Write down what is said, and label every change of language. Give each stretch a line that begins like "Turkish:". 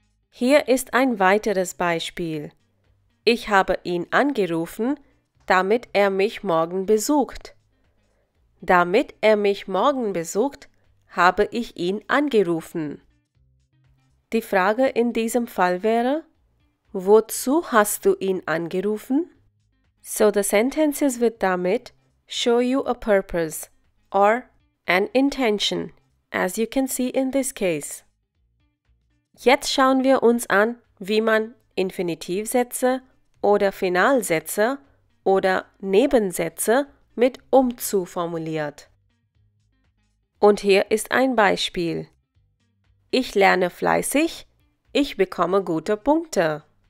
German: Hier ist ein weiteres Beispiel. Ich habe ihn angerufen, damit er mich morgen besucht. Damit er mich morgen besucht, habe ich ihn angerufen. Die Frage in diesem Fall wäre, wozu hast du ihn angerufen?
English: So the sentences with damit show you a purpose or an intention, as you can see in this case.
German: Jetzt schauen wir uns an, wie man Infinitivsätze oder Finalsätze oder Nebensätze mit um zu formuliert. Und hier ist ein Beispiel. Ich lerne fleißig, ich bekomme gute Punkte.